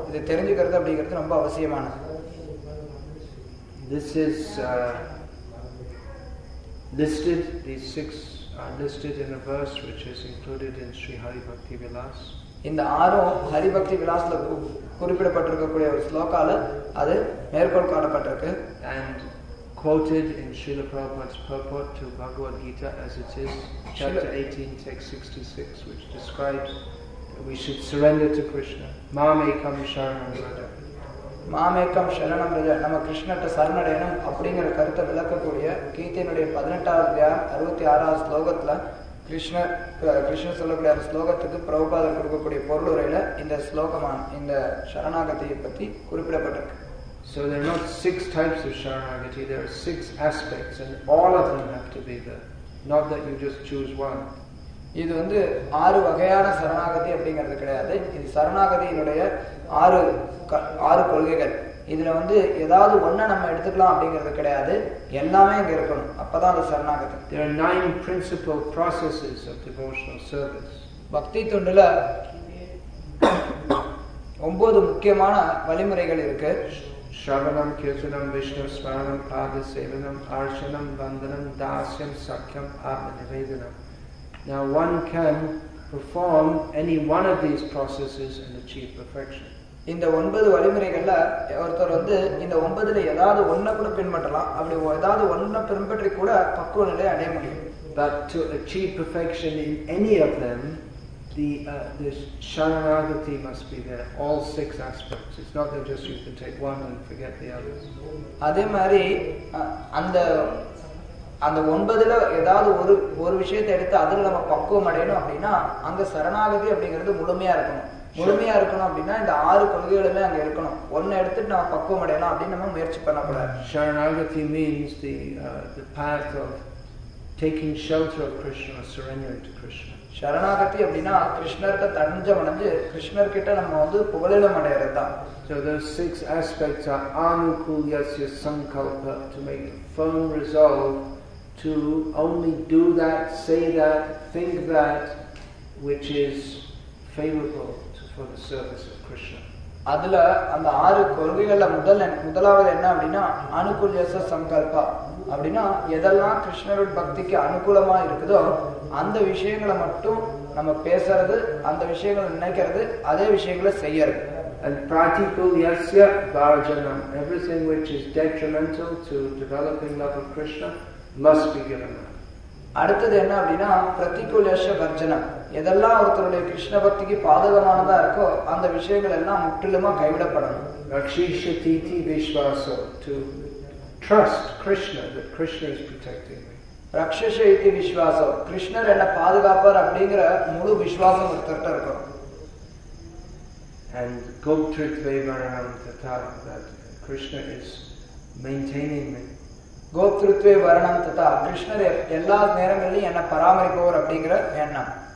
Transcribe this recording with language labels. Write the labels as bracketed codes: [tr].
[ta] இது தெரிஞ்சுக்கிறது அப்படிங்கிறது ரொம்ப அவசியமானது. [en] This is listed, these six are listed in a verse which is included in Sri Hari Bhakti Vilas. [ta] இந்த ஆறும் ஹரிபக்தி விலாசத்தில் குறிப்பிடப்பட்டிருக்கக்கூடிய ஒரு ஸ்லோக்கால அது மேற்கோள் காணப்பட்டிருக்கு. [en] And quoted in Srila Prabhupada's purport to Bhagavad Gita as it is, chapter 18, text 66, which describes that we should surrender to Krishna. [sa] Maam ekam sharanam raja. Maam ekam sharanam raja. [ta] Nama Krishna ta sarnadayana apadingar karita vilakkakoodiya Gita inudaya 18th 66th slogatla Krishna சொல்லக்கூடிய அந்த ஸ்லோகத்துக்கு பிரபுபாதர் கொடுக்கக்கூடிய பொருள் உரையில இந்த ஸ்லோகமான இந்த சரணாகதியை பத்தி குறிப்பிடப்பட்டிருக்கு. [en] So there are not six types of sharanagati, there are six aspects and all of them have to be there, not that you just choose one. [ta] இது வந்து ஆறு வகையான சரணாகதி அப்படிங்கிறது கிடையாது. இது சரணாகதியினுடைய ஆறு கொள்கைகள். இதுல வந்து ஏதாவது ஒண்ணு நம்ம எடுத்துக்கலாம் அப்படிங்கிறது கிடையாது, எல்லாமே இங்க இருக்கணும், அப்பதான் அது சரணாகதி. [en] There are nine principal processes of devotional service. [ta] பக்தி துண்டுல ஒன்பது முக்கியமான வழிமுறைகள் இருக்கு. [sa] ஸ்ரவணம், கீர்த்தனம், விஷ்ணு ஸ்மரணம், பாத சேவனம், ஆர்ஷனம், வந்தனம், தாசியம், சக்கியம், ஆத்ம நிவேதனம். [en] Now one can perform any one of these processes and achieve perfection. [ta] இந்த ஒன்பது வழிமுறைகள்ல ஒருத்தர் வந்து இந்த ஒன்பதுல ஏதாவது ஒன்ன கூட பின்பற்றலாம், அப்படி ஏதாவது ஒன்ன பின்பற்றி கூட பக்குவ நிலை அடைய முடியும். [en] But to achieve perfection in any of them, the Sharanagati must be there, all six aspects. It's not that just you can take one and forget the others. [ta] அதே மாதிரி அந்த ஒன்பதுல ஏதாவது ஒரு விஷயத்தை எடுத்து அதுல நம்ம பக்குவம் அடையணும் அப்படின்னா அங்க சரணாகதி அப்படிங்கிறது முழுமையா இருக்கணும். முழுமையா இருக்கணும் அப்படின்னா இந்த ஆறு கொள்கைகளுமே அங்க இருக்கணும். ஒன்னு எடுத்துட்டு நம்ம பக்குவம் அடையலாம் அப்படின்னு நம்ம முயற்சி பண்ணக்கூடாது. [en] Sharanagati means the path of taking shelter of Krishna, surrendering to Krishna. [ta] Sharanagati அப்படின்னா கிருஷ்ணர்கிட்ட தஞ்சம் அடைஞ்சு கிருஷ்ணர் கிட்ட நம்ம வந்து புகழிடம் அடையறதுதான். [en] So those six aspects are [sa] anukulyasya sankalpa, [en] to make a firm resolve to only do that, say that, think that which is favorable for the service of Krishna. [ta] அதுல அந்த ஆறு கொள்கைகள்ல முதலாவது என்ன அப்படின்னா [sa] அனுகூலியச சங்கல்பா. [ta] அப்படின்னா எதெல்லாம் கிருஷ்ணரோட பக்திக்கு அனுகூலமா இருக்குதோ அந்த விஷயங்களை மட்டும் நம்ம பேசுறது, அந்த விஷயங்களை நினைக்கிறது, அதே விஷயங்களை செய்யறது. [en] And [sa] pratikulyasya bhajanam, [en] everything which is detrimental to developing love of Krishna must be given up. [ta] அடுத்தது என்ன அப்படின்னா [sa] பிரதிகூலேஷ வர்ஜனம், [ta] எதெல்லாம் ஒருத்தருடைய கிருஷ்ண பக்திக்கு பாதகமானதா இருக்கோ அந்த விஷயங்கள் எல்லாம் முற்றிலுமா கைவிடப்படணும். [sa] ரக்ஷிஷ தீதி விஸ்வாசம், [en] to trust Krishna that Krishna is protecting me. [sa] ரக்ஷிஷ தீதி விஸ்வாசம், [ta] கிருஷ்ணர் என்ன பாதுகாப்பார் அப்படிங்கிற முழு விசுவாசம் ஒருத்தர்கிட்ட இருக்கும். [en] And [sa] Gopritvai Varanam Tathā, [en] that Krishna is maintaining me. [sa] கோத்ருத்வே வர்ணம் ததா, [ta] கிருஷ்ணர் எல்லா நேரங்களிலும் என்னை பராமரிப்பவர் அப்படிங்கிற எண்ணம்.